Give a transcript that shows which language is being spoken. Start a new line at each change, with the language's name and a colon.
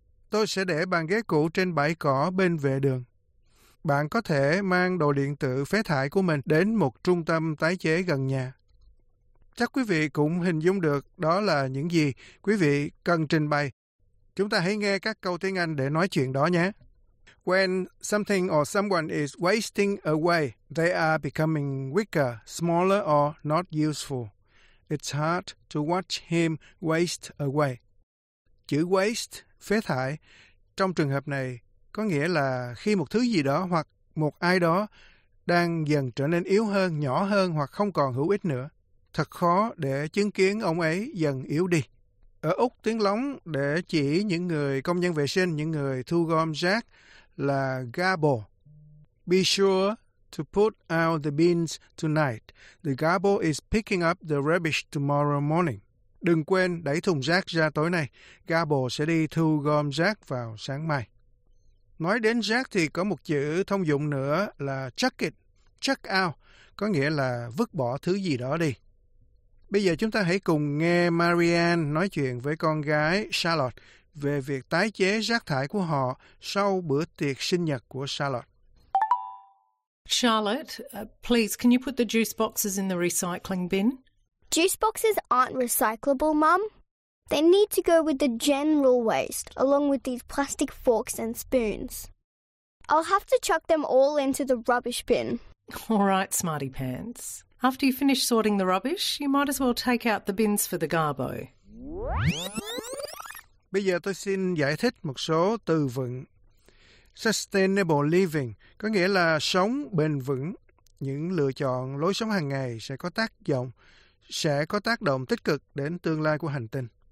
Vietnamese: Tôi sẽ để bàn ghế cũ trên bãi cỏ bên vệ đường. Bạn có thể mang đồ điện tử phế thải của mình đến một trung tâm tái chế gần nhà. Chắc quý vị cũng hình dung được đó là những gì quý vị cần trình bày. Chúng ta hãy nghe các câu tiếng Anh để nói chuyện đó nhé.
English: When something or someone is wasting away, they are becoming weaker, smaller or not useful. It's hard to watch him waste away.
Vietnamese: Chữ waste, phế thải, trong trường hợp này có nghĩa là khi một thứ gì đó hoặc một ai đó đang dần trở nên yếu hơn, nhỏ hơn hoặc không còn hữu ích nữa. Thật khó để chứng kiến ông ấy dần yếu đi. Ở Úc, tiếng lóng để chỉ những người công nhân vệ sinh, những người thu gom rác là Gabo.
English: Be sure to put out the bins tonight. The Gabo is picking up the rubbish tomorrow morning.
Vietnamese: Đừng quên đẩy thùng rác ra tối nay. Gabo sẽ đi thu gom rác vào sáng mai. Nói đến rác thì có một chữ thông dụng nữa là chuck it, chuck out, có nghĩa là vứt bỏ thứ gì đó đi. Bây giờ chúng ta hãy cùng nghe Marianne nói chuyện với con gái Charlotte về việc tái chế rác thải của họ sau bữa tiệc sinh nhật của Charlotte.
English: Charlotte, please, can you put the juice boxes in the recycling bin? Juice boxes aren't recyclable, Mum. They need to go with the general waste, along with these plastic forks and spoons. I'll have to chuck them all into the rubbish bin. All right, smarty pants. After you finish sorting the rubbish, you might as well take out the bins for the garbo.
Vietnamese: Bây giờ tôi xin giải thích một số từ vựng. Sustainable living có nghĩa là sống bền vững. Những lựa chọn lối sống hàng ngày sẽ có tác động tích cực đến tương lai của hành tinh.